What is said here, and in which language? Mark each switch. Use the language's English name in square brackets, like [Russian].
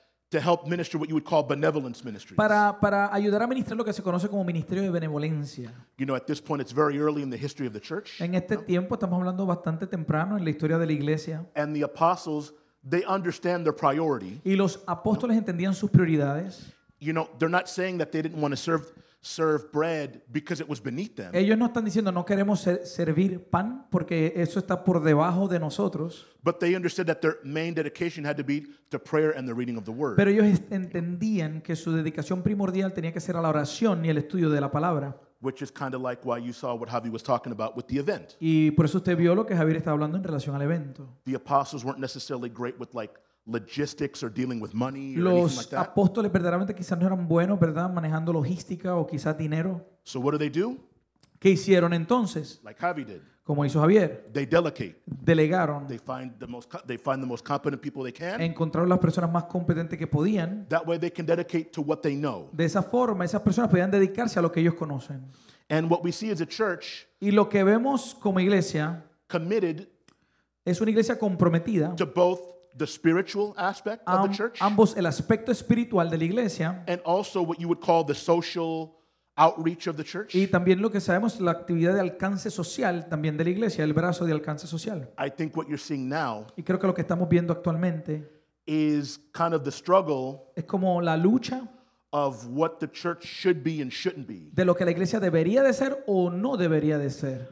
[English] To help minister what you would call benevolence ministry. [Spanish] Para ayudar a ministrar lo que se conoce como ministerio de benevolencia. [English] You know, at this point, it's very early in the history of the church. [Spanish] En este tiempo estamos hablando bastante temprano en la historia de la iglesia. [English] And the apostles, they understand their priority. [Spanish] Y los apóstoles entendían sus prioridades. [English] You know, they're not saying that they didn't want to serve bread because it was beneath them. [Spanish] Ellos no están diciendo no queremos servir pan porque eso está por debajo de nosotros. [English] But they understood that their main dedication had to be to prayer and the reading of the word. [Spanish] Pero ellos entendían que su dedicación primordial tenía que ser a la oración y el estudio de la palabra. [English] Which is kind of like why you saw what Javi was talking about with the event. [Spanish] Y por eso usted vio lo que Javier estaba hablando en relación al evento. [English] The apostles weren't necessarily great with like logistics or dealing with money or [Spanish] los [English] anything like that. [Spanish] Apóstoles verdaderamente quizás no eran buenos, ¿verdad? Manejando logística o quizás dinero. [English] So what do they do? [Spanish] ¿Qué hicieron entonces? [English] Like Javi did. [Spanish] Como hizo Javier. [English] They delegate. [Spanish] Delegaron. [English] They find the most competent people they can. [Spanish] Encontraron las personas más competentes que podían. [English] That way they can dedicate to what they know. [Spanish] De esa forma esas personas podían dedicarse a lo que ellos conocen. [English] And what we see is a church. [Spanish] Y lo que vemos como iglesia. [English] Committed. [Spanish] Es una iglesia comprometida. [English] To both the spiritual aspect of the church. [Spanish] Ambos el aspecto espiritual de la iglesia. [English] And also what you would call the social outreach of the church. [Spanish] Y también lo que sabemos la actividad de alcance social también de la iglesia, el brazo de alcance social. [English] I think what you're seeing now. [Spanish] Y creo que lo que estamos viendo actualmente. [English] Is kind of the struggle. [Spanish] Es como la lucha. [English] Of what the church should be and shouldn't be. [Spanish] De lo que la iglesia debería de ser o no debería de ser.